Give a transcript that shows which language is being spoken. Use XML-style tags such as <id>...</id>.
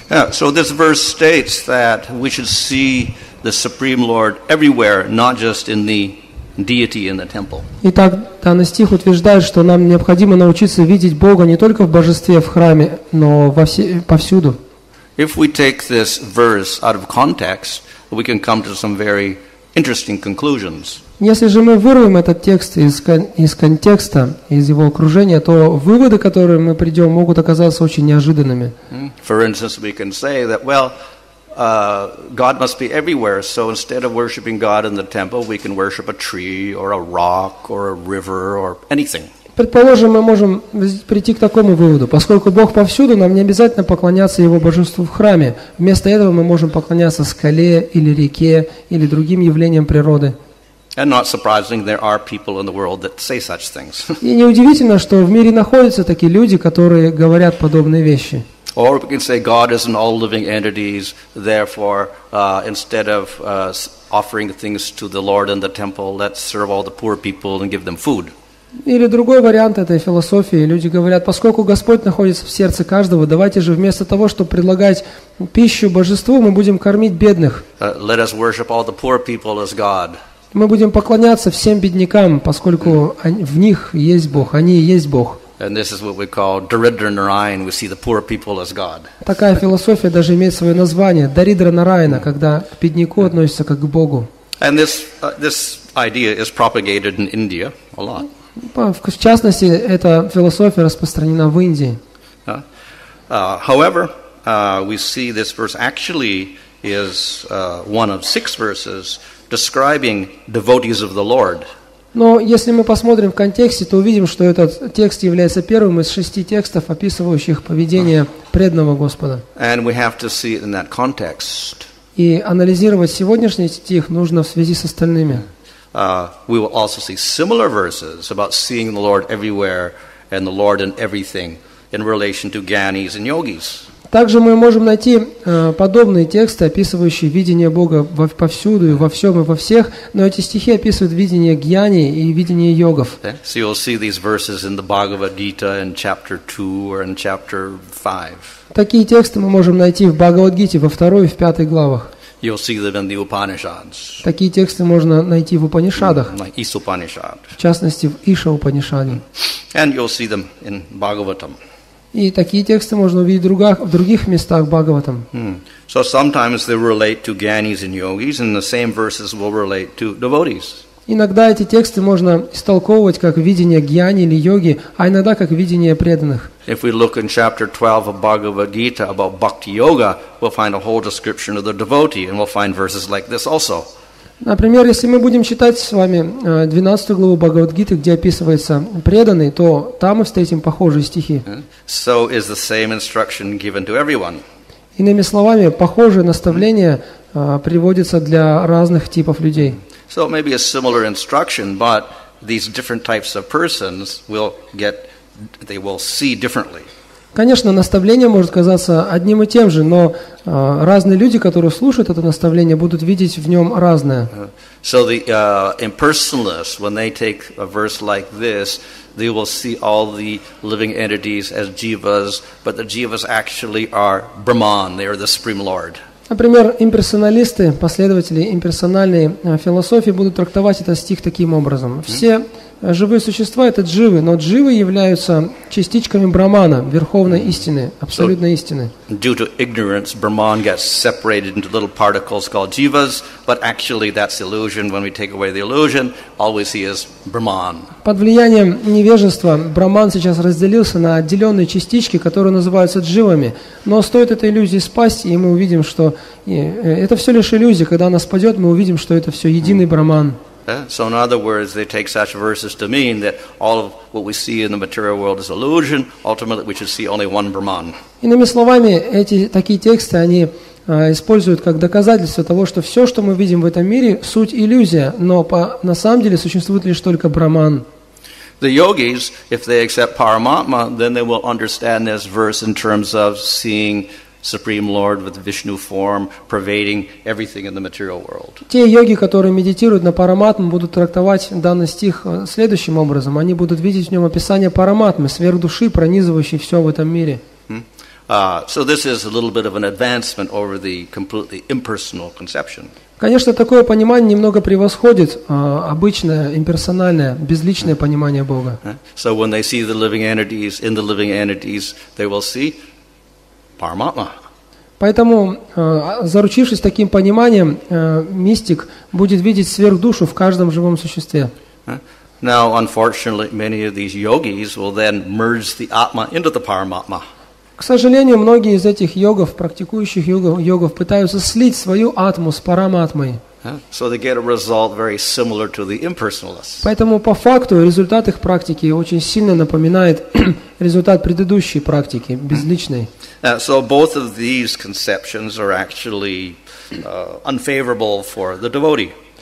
<en>So this verse states that we should see the Supreme Lord everywhere, not just in the deity in the temple.</en> <ru>Итак, данный стих утверждает, что нам необходимо научиться видеть Бога не только в божестве в храме, но повсюду.</ru> <en>If we take this verse out of context, we can come to some very interesting conclusions.</en> <ru>Если же мы вырвем этот текст из контекста, из его окружения, то выводы, к которым мы придем, могут оказаться очень неожиданными.</ru> <en>For instance, we can say that, well, God must be everywhere, so instead of worshiping God in the temple, we can worship a tree, or a rock, or a river, or anything.</en> <ru>Предположим, мы можем прийти к такому выводу. Поскольку Бог повсюду, нам не обязательно поклоняться Его божеству в храме. Вместо этого мы можем поклоняться скале, или реке, или другим явлениям природы.</ru> <en>And not surprising, there are people in the world that say such things.</en> <ru>И неудивительно, что в мире находятся такие люди, которые говорят подобные вещи.</ru> <en>Or we can say God is in all living entities, therefore, instead of offering things to the Lord in the temple, let's serve all the poor people and give them food.</en> <ru>Или другой вариант этой философии. Люди говорят, поскольку Господь находится в сердце каждого, давайте же вместо того, чтобы предлагать пищу божеству, мы будем кормить бедных.</ru> <en>Let us worship all the poor people as God.</en> <ru>Мы будем поклоняться всем беднякам, поскольку в них есть Бог, они и есть Бог.</ru> <en>And this is what we call Даридра Нараян. We see the poor people as God.</en> <ru>Такая философия даже имеет свое название Даридра Нараяна, когда к бедняку относится как к Богу.</ru> <en>And this idea is propagated in India a lot.</en> <ru>В частности, эта философия распространена в Индии.</ru> <en>However, we see this verse actually is one of six verses describing devotees of the Lord.</en> <ru>Но если мы посмотрим в контексте, то увидим, что этот текст является первым из шести текстов, описывающих поведение преданного Господа.</ru> <en>And we have to see it in that context.</en> <ru>И анализировать сегодняшний стих нужно в связи с остальными.</ru> <en>We will also see similar verses about seeing the Lord everywhere and the Lord in everything in relation to gyanis and yogis.</en> <ru>Также мы можем найти подобные тексты, описывающие видение Бога повсюду и во всем и во всех, но эти стихи описывают видение гьяни и видение йогов.</ru> <en>So you'll see these verses in the Bhagavad Gita in chapter 2 or in chapter 5.</en> <ru>Такие тексты мы можем найти в Бхагавад-гите во второй и в пятой главах.</ru> <en>You'll see them in the Upanishads.</en> <ru>Такие тексты можно найти в Упанишадах. Исупанишад. В частности, в Иша-Упанишаде.</ru> <en>And you'll see them in Bhagavatam.</en> <ru>И такие тексты можно увидеть в других местах Бхагаватам.</ru> <en>So sometimes they relate to gyanis and yogis, and the same verses will relate to devotees.</en> <ru>Иногда эти тексты можно истолковывать как видение гьяни или йоги, а иногда как видение преданных.</ru> <en>If we look in chapter 12 of Bhagavad Gita about bhakti yoga, we'll find a whole description of the devotee, and we'll find verses like this also.</en> <ru>Например, если мы будем читать с вами 12 главу Бхагавад-гиты, где описывается преданный, то там мы встретим похожие стихи.</ru> <en>So is the same instruction given to everyone.</en> <ru>Иными словами, похожее наставление приводится для разных типов людей.</ru> <en>So maybe a similar instruction, but these different types of persons will get, they will see differently.</en> <ru>Конечно, наставление может казаться одним и тем же, но разные люди, которые слушают это наставление, будут видеть в нем разное.</ru> <en>So the impersonalists, when they take a verse like this, they will see all the living entities as jivas, but the jivas actually are Brahman, they are the Supreme Lord.</en> <ru>Например, имперсоналисты, последователи имперсональной философии будут трактовать этот стих таким образом. Все живые существа – это дживы, но дживы являются частичками Брахмана, верховной истины, абсолютной истины.</ru> <en>Due to ignorance, Brahman gets separated into little particles called jivas, but actually that's illusion. When we take away the illusion, all we see is Brahman.</en> <ru>Под влиянием невежества Брахман сейчас разделился на отделенные частички, которые называются дживами. Но стоит этой иллюзии спасть, и мы увидим, что это все лишь иллюзия. Когда она спадет, мы увидим, что это все единый Брахман.</ru> <en>So in other words, they take such verses to mean that all of what we see in the material world is illusion. Ultimately, we should see only one Brahman.</en> <ru>Иными словами, эти такие тексты они используют как доказательство того, что все, что мы видим в этом мире, суть иллюзия, но на самом деле существует лишь только Брахман.</ru> <en>The yogis, if they accept Paramatma, then they will understand this verse in terms of seeing Supreme Lord with Vishnu form pervading everything in the material world.</en> <ru>Те йоги, которые медитируют на параматму, будут трактовать данный стих следующим образом. Они будут видеть в нем описание параматмы, сверхдуши, пронизывающей все в этом мире.</ru> <en>So this is a little bit of an advancement over the completely impersonal conception.</en> <ru>Конечно, такое понимание немного превосходит обычное, имперсональное, безличное понимание Бога.</ru> <en>So when they see the living entities in the living entities, they will see Paramatma.</en> <ru>Поэтому, заручившись таким пониманием, мистик будет видеть сверхдушу в каждом живом существе.</ru> <en>Now, unfortunately, many of these yogis will then merge the Atma into the Paramatma.</en> <ru>К сожалению, многие из этих йогов, практикующих йогов, пытаются слить свою Атму с Параматмой.</ru> <en>So they get a result very similar to the impersonalists.</en> <ru>Поэтому по факту результат их практики очень сильно напоминает результат предыдущей практики безличной.</ru> <en>So both of these conceptions are actually unfavorable for the devotee.</en>